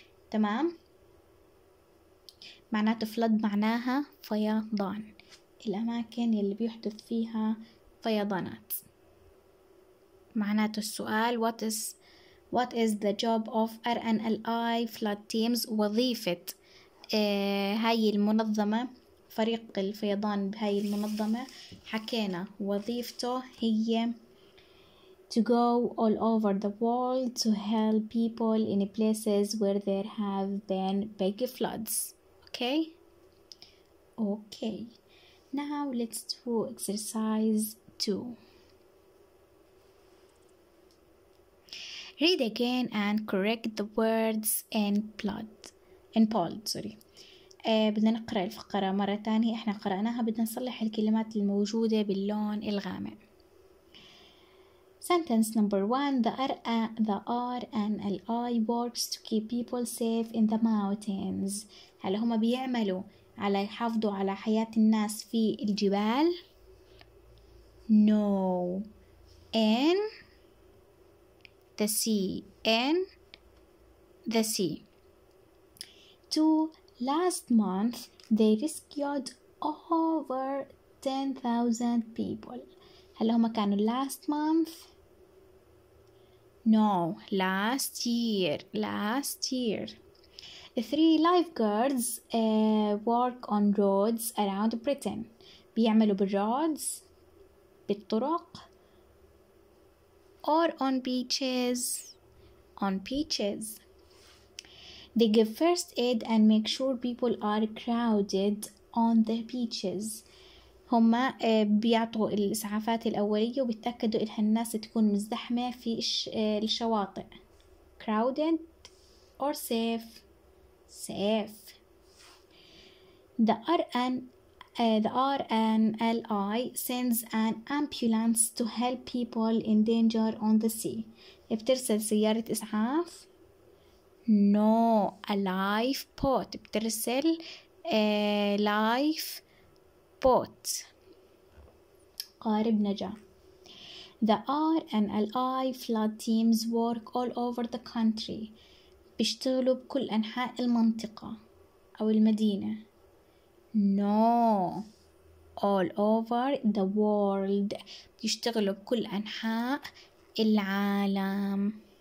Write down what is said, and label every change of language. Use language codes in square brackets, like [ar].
[ar] تمام، معناته فلد معناها فيضان، الأماكن اللي بيحدث فيها فيضانات. معناته السؤال [en] what is the job of RNLI flood teams، [ar] وظيفة هاي المنظمة فريق الفيضان بهاي المنظمة. حكينا وظيفته هي [en] to go all over the world to help people in places where there have been big floods. Okay? Okay. Now let's do exercise 2. Read again and correct the words in plot. In bold, sorry. [ar] بدنا نقرأ الفقرة مرة تانية، احنا قرأناها، بدنا نصلح الكلمات الموجودة باللون الغامق. [en] Sentence number 1. The RNLI works to keep people safe in the mountains. [ar] هل هما بيعملوا على يحافظوا على حياة الناس في الجبال؟ [en] No. In the sea. In the sea. 2. Last month they rescued over 10,000 people. [ar] هل هما كانوا [en] last month؟ No, last year. Last year. 3 lifeguards work on roads around Britain. [ar] بيعملوا بالرودز بالطرق. [en] Or on beaches. On beaches. They give first aid and make sure people are crowded on the beaches. [ar] هما بيعطوا الإسعافات الأولية وبيتأكدوا إنها الناس تكون مزدحمة في الشواطئ. [en] crowded or safe. safe. The RNLI sends an ambulance to help people in danger on the sea. [ar] بترسل سيارة إسعاف. [en] No, a lifeboat. [ar] بترسل lifeboat. قارب نجاة. [en] The RNLI flood teams work all over the country. [ar] بيشتغلوا بكل أنحاء المنطقة أو المدينة. [en] No, all over the world. [ar] بيشتغلوا بكل أنحاء العالم.